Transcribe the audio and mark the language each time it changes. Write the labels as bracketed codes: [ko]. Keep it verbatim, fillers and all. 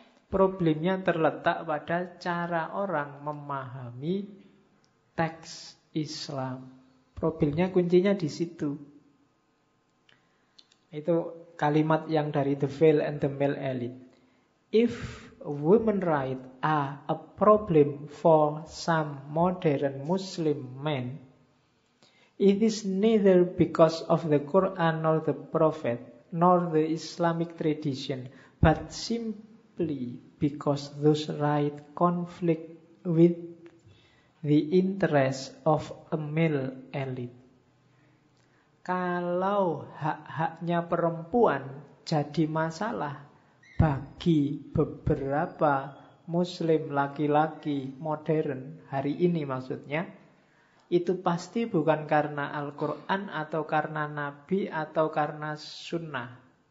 [id] Problemnya terletak pada cara orang memahami teks Islam. Problemnya, kuncinya di situ. Itu kalimat yang dari The Veil and the Male Elite. [en] If women rights are a problem for some modern Muslim men, it is neither because of the Quran nor the Prophet nor the Islamic tradition, but simply because those rights conflict with the interests of a male elite. [id] Kalau hak-haknya perempuan jadi masalah bagi beberapa Muslim laki-laki modern hari ini maksudnya, itu pasti bukan karena Al-Quran atau karena Nabi atau karena Sunnah